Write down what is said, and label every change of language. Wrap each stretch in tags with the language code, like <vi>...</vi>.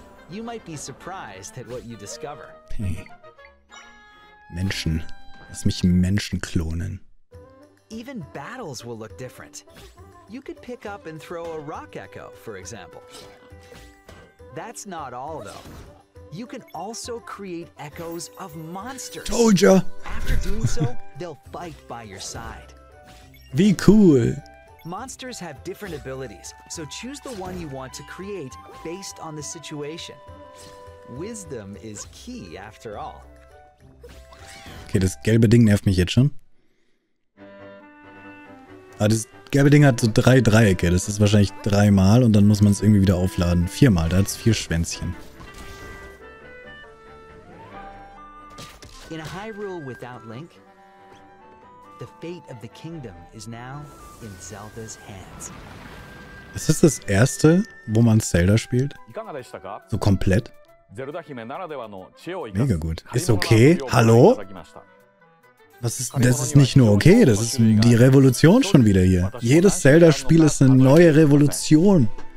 <en>You might be surprised at what you discover.</en> <de>Menschen. Lass mich Menschen klonen.</de> <en>Even battles will look different. You could pick up and throw a rock echo, for example. That's not all though. You can also create echoes of monsters. Told ya. After doing so, they'll fight by your side.</en> <de>Wie cool.</de> <en>Monsters have different abilities, so choose the one you want to create based on the situation. Wisdom is key after all.</en> <de>Okay, das gelbe Ding nervt mich jetzt schon. Ah, das gelbe Ding hat so drei Dreiecke. Das ist wahrscheinlich dreimal und dann muss man es irgendwie wieder aufladen. Viermal, da hat es vier Schwänzchen.</de> <en>In a Hyrule without Link, the fate of the kingdom is now in Zelda's hands.</en> <de>Ist das das erste, wo man Zelda spielt? So komplett? Mega gut. Ist okay? Hallo? Was ist, das ist nicht nur okay, das ist die Revolution schon wieder hier. Jedes Zelda-Spiel ist eine neue Revolution.</de>